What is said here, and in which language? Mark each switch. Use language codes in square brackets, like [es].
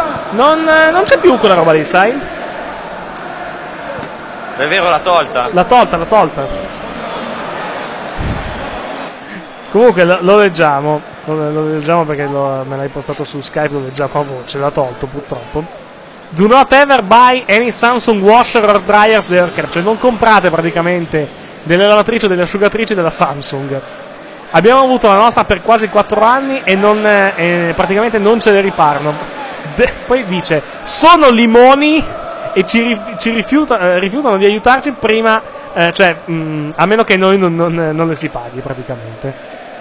[it] Non c'è più quella roba lì, sai? È vero, l'ha tolta. L'ha tolta. Comunque, lo leggiamo. Lo leggiamo perché me l'hai postato su Skype, lo leggiamo a voce. L'ha tolto, purtroppo. [en] Do not ever buy any Samsung washer or dryers there. [it] Cioè, non comprate praticamente delle lavatrici, delle asciugatrici della Samsung. Abbiamo avuto la nostra per quasi 4 anni e non praticamente non ce le riparano. Poi dice: sono limoni e ci rifiutano di aiutarci prima, a meno che noi non le si paghi praticamente.